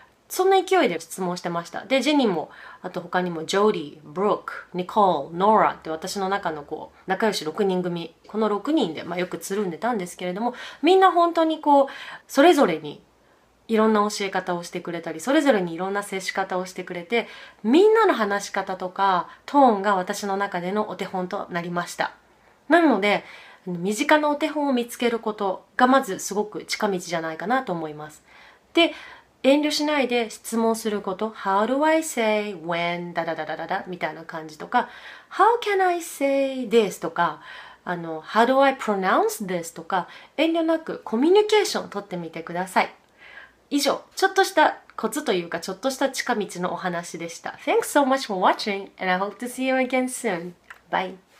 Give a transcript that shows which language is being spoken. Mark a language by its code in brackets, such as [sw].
[ja] そんな勢いで質問してました。でジェニーもあと他にもジョーディ、ブルーク、ニコール、ノーラって私の中のこう仲良し6人組、この6人で、よくつるんでたんですけれども、みんな本当にこうそれぞれにいろんな教え方をしてくれたり、それぞれにいろんな接し方をしてくれて、みんなの話し方とかトーンが私の中でのお手本となりました。なので身近なお手本を見つけることがまずすごく近道じゃないかなと思います。で遠慮しないで質問すること、 [en] How do I say when? [ja] だだだだだだみたいな感じとか、 [en] How can I say this? とか、How do I pronounce this? [ja] とか、遠慮なくコミュニケーションを取ってみてください。以上、ちょっとしたコツというか、ちょっとした近道のお話でした。 [en] Thanks so much for watching, and I hope to see you again soon. Bye!